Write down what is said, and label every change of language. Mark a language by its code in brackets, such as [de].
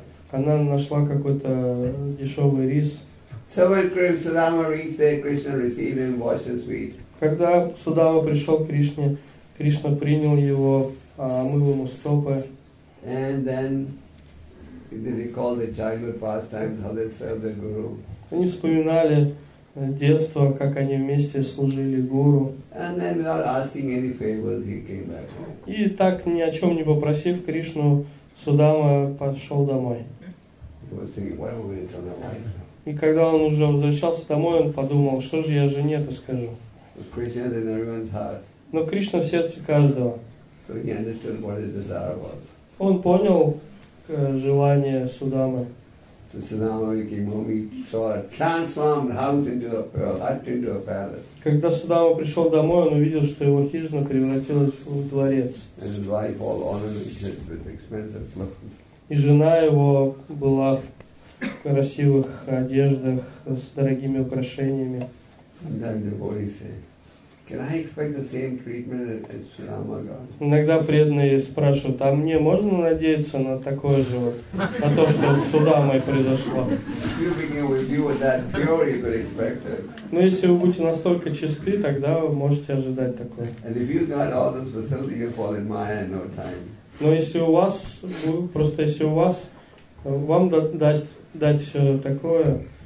[ru] Она нашла какой-то дешевый рис. [en] So when Sudama reached there, Krishna received him, washed his feet. [ru] Когда Судама пришел к Кришне, Кришна принял его, омыл ему стопы. [en] And then they recall the childhood pastimes, how they served the guru. [ru] Они вспоминали детство, как они вместе служили гуру. [en] And then without asking any favors, he came back home. [ru] И так ни о чем не попросив Кришну, Судама пошел домой. [en] He was thinking, what are we going to tell my wife? [ru] И когда он уже возвращался домой, он подумал, что же я жене-то скажу. [en] Krishna is in everyone's heart. [ru] Но Кришна в сердце каждого. [en] So he understood what his desire was. [ru] Он понял желание Судамы. [en] So Sudama came home, he saw a transformed house into a hut into a palace. [ru] Когда Судама пришел домой, он увидел, что его хижина превратилась в дворец. [en] And his wife all ornamented with expensive clothes. [ru] И жена его была в красивых одеждах с дорогими украшениями. [en] Can I expect the same treatment as Sudama got? [ru] Иногда преданные спрашивают, а мне можно надеяться на такое же, на то, что с Судамой произошло? Но если вы будете настолько чисты, тогда вы можете ожидать такое. Но если у вас, вам дать все такое,